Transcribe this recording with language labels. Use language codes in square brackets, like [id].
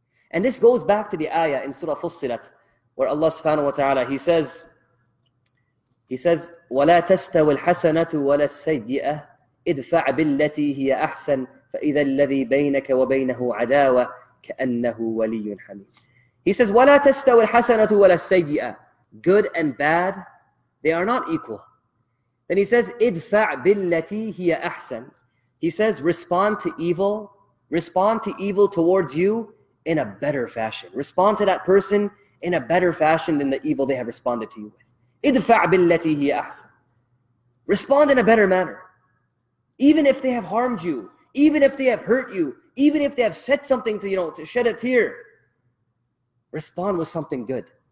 [en] And this goes back to the ayah in Surah Fussilat, where Allah subhanahu wa ta'ala, He says, [ar] وَلَا تَسْتَوِ الْحَسَنَةُ وَلَا السَّيِّئَةُ اِدْفَعْ بِالَّتِي هِيَ أَحْسَنُ فَإِذَا الَّذِي بَيْنَكَ وَبَيْنَهُ عَدَاوَةً كَأَنَّهُ وَلِيٌّ حَمِيمٌ. [en] He says, [ar] وَلَا تَسْتَوِ الْحَسَنَةُ وَلَا السَّيِّئَةُ. [en] Good and bad, they are not equal. Then he says, [ar] اِدْفَعْ بِالَّتِي هِيَ أَحْسَنُ. [en] He says, respond to evil towards you in a better fashion. Respond to that person in a better fashion than the evil they have responded to you with. [ar] ادفع بالتي هي أحسن. [en] Respond in a better manner. Even if they have harmed you, even if they have hurt you, even if they have said something to shed a tear, respond with something good.